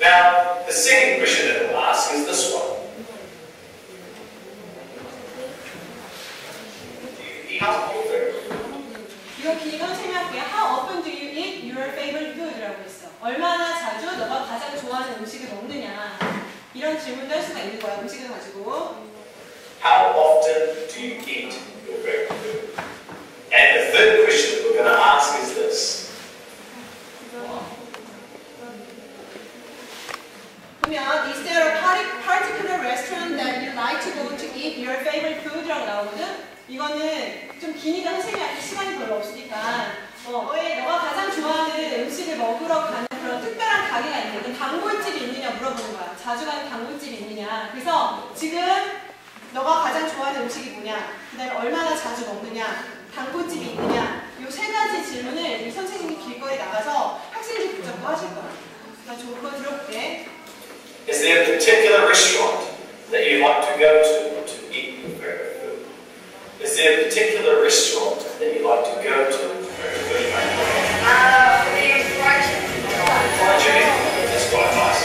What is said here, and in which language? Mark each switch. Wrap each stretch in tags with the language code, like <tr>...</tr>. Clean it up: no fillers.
<en>Now, the second question that we'll ask is this one. Do you eat your favorite food? How often do you eat your favorite food?</en> <ko>라고 했어. 얼마나 자주 너가 가장 좋아하는 음식을 먹느냐? 이런 질문도 할 수가 있는 거야, 음식을 가지고.</ko> <en>How often do you eat your favorite food? And the third question that we're going to ask is this. Is there a particular restaurant that you like to go to eat your favorite food?</en> <ko>라고 나오거든? 이거는 좀 기니까 선생님한테 시간이 별로 없으니까 너가 가장 좋아하는 음식을 먹으러 가는 그런 특별한 가게가 있거든? 단골집이 있느냐 물어보는 거야. 자주 가는 단골집이 있느냐. 그래서 지금 너가 가장 좋아하는 음식이 뭐냐? 그 다음에 얼마나 자주 먹느냐? 단골집이 있느냐? 이 세 가지 질문을 우리 선생님이 길거리에 나가서 학생들 붙잡고 하실 거야. 나 좋은 거 들어볼게.</ko> <en>Is there a particular restaurant that you like to go to eat your favorite food? Is there a particular restaurant that you like to go to for your favorite food? That's quite nice.</en>